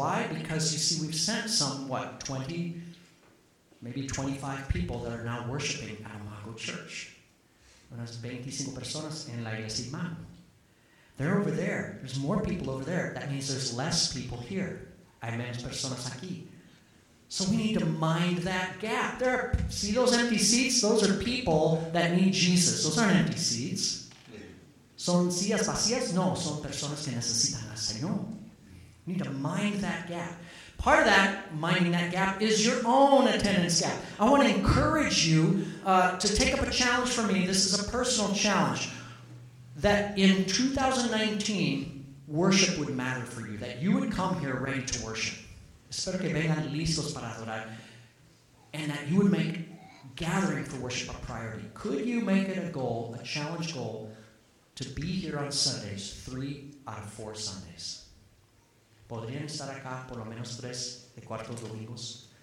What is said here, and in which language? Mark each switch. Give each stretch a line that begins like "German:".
English: Why? Because, you see, we've sent some, 20, maybe 25 people that are now worshiping at Amago Church.
Spanish: Unas 25 personas en la iglesia Imam.
English: They're over there. There's more people over there. That means there's less people here.
Spanish: Hay menos personas aquí.
English: So we need to mind that gap. There are, see those empty seats? Those are people that need Jesus. Those aren't empty seats.
Spanish: ¿Son sillas vacías? No, son personas que necesitan al Señor.
English: You need to mind that gap. Part of that, minding that gap, is your own attendance gap. I want to encourage you to take up a challenge for me. This is a personal challenge. That in 2019, worship would matter for you. That you would come here ready to worship.
Spanish: Espero que vengan listos para adorar.
English: And that you would make gathering for worship a priority. Could you make it a goal, a challenge goal, to be here on Sundays, 3 out of 4 Sundays?
Spanish: ¿Podrían estar acá por lo menos 3 de 4 domingos?